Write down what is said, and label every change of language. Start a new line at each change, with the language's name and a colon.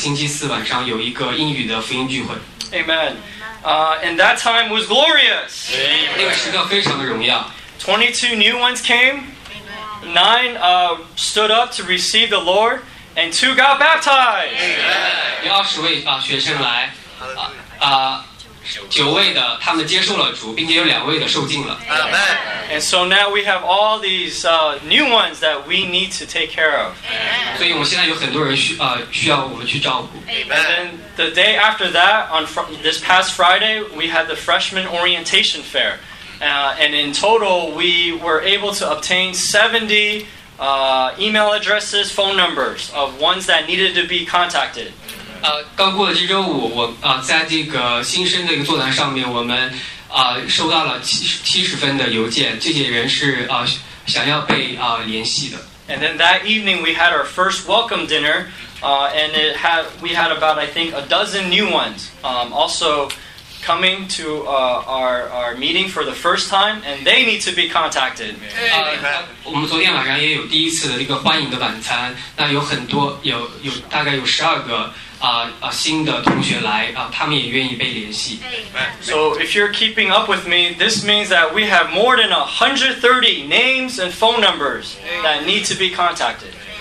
Chinese: 我们发了有3000多个传单，主要是因为我们这个刚过的星期四晚上有一个英语的福音聚会。
English: Amen. And that time was glorious.
Chinese: 那个时刻非常的荣耀。
English: 22 new ones came, 9 stood up to receive the Lord, and 2 got baptized.
Chinese: 有20位学生来，九位的他们接受了主，并且有两位的受浸了。
English: Amen. And so now we have all these new ones that we need to take care of.
Chinese: 所以我们现在有很多人需要我们去照顾。
English: Amen. And then the day after that, on this past Friday, we had the freshman orientation fair. And in total, we were able to obtain 70 email addresses, phone numbers of ones that needed to be contacted.
Chinese: 刚过了这周五，我在这个新生的一个座谈上面，我们收到了70封的邮件，这些人是想要被联系的。
English: And then that evening we had our first welcome dinner, and we had about I think a dozen new ones, also coming to our meeting for the first time, and they need to be contacted.
Chinese: 我们昨天晚上也有第一次的这个欢迎的晚餐，那有很多有大概有12个。新的同学来他们也愿意被联系。
English: So if you're keeping up with me, this means that we have more than 130 names and phone numbers that need to be contacted.